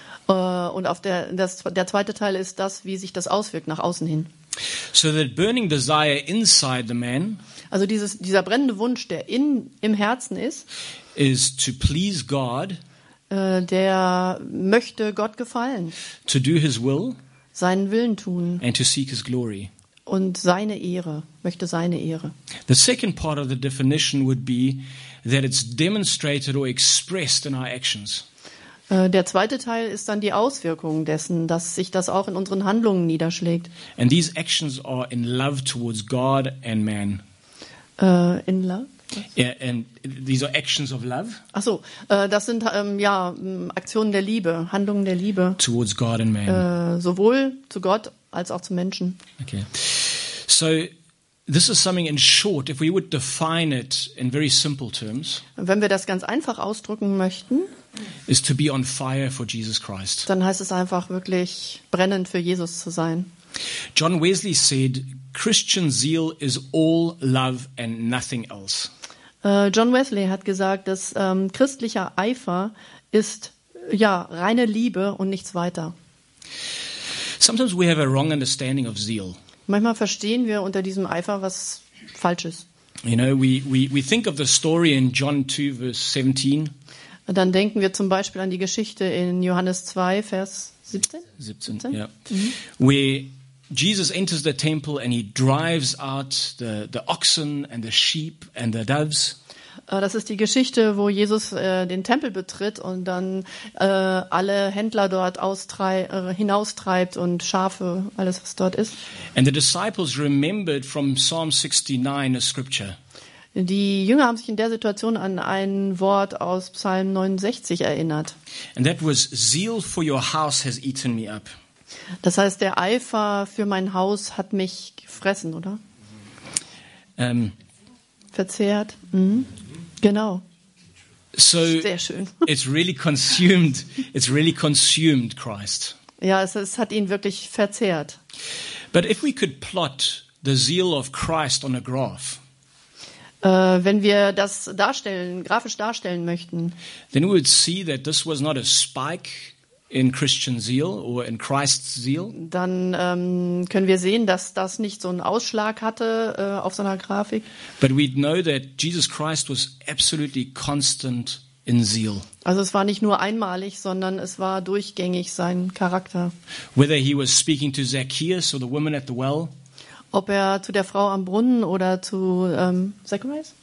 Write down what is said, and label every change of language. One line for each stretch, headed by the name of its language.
German: Und auf der zweite Teil ist das, wie sich das auswirkt nach außen hin.
English: So that burning desire inside the man.
German: Also dieser brennende Wunsch, der im Herzen ist.
English: Is to please God.
German: Der möchte Gott gefallen.
English: To do His will.
German: Seinen Willen tun.
English: And to seek His glory.
German: Und seine Ehre, möchte seine Ehre.
English: The second part of the definition would be that it's demonstrated or expressed in our actions.
German: Der zweite Teil ist dann die Auswirkung dessen, dass sich das auch in unseren Handlungen niederschlägt.
English: And these actions are in love towards God and man. In love? Yeah, and these are actions of love.
German: Ach so, das sind Aktionen der Liebe, Handlungen der Liebe.
English: Towards God and man.
German: Sowohl zu Gott als auch zu Menschen.
English: Okay. So this is something in short, if we would define it in very simple terms.
German: Wenn wir das ganz einfach ausdrücken möchten,
English: is to be on fire for Jesus Christ.
German: Dann heißt es einfach wirklich brennend für Jesus zu sein.
English: John Wesley said, Christian zeal is all love and nothing else.
German: John Wesley hat gesagt, dass christlicher Eifer ist ja reine Liebe und nichts weiter.
English: Sometimes we have a wrong understanding of zeal.
German: Manchmal verstehen wir unter diesem Eifer was Falsches.
English: You know, we think of the story in John 2, verse 17.
German: Dann denken wir zum Beispiel an die Geschichte in Johannes 2, Vers 17. 17, ja. Yeah. Mm-hmm.
English: Where Jesus enters the temple and he drives out the oxen and the sheep and the doves.
German: Das ist die Geschichte, wo Jesus den Tempel betritt und dann alle Händler dort hinaustreibt und Schafe, alles was dort ist.
English: And the disciples remembered from Psalm 69 a scripture.
German: Die Jünger haben sich in der Situation an ein Wort aus Psalm 69 erinnert.
English: And that was, zeal for your house has eaten me up.
German: Das heißt, der Eifer für mein Haus hat mich gefressen, oder? Verzehrt. Mhm. Genau. So sehr schön.
English: It's really consumed Christ.
German: Ja, es hat ihn wirklich verzehrt.
English: But if we could plot the zeal of Christ on a graph.
German: Wenn wir das grafisch darstellen möchten,
English: then we would see that this was not a spike in Christian zeal or in Christ's zeal.
German: Dann können wir sehen, dass das nicht so einen Ausschlag hatte auf so einer Grafik.
English: But we'd know that Jesus Christ was absolutely constant in zeal.
German: Also es war nicht nur einmalig, sondern es war durchgängig sein Charakter.
English: Whether he was speaking to Zacchaeus or the woman at the well.
German: Ob er zu der Frau am Brunnen oder zu Zacharias?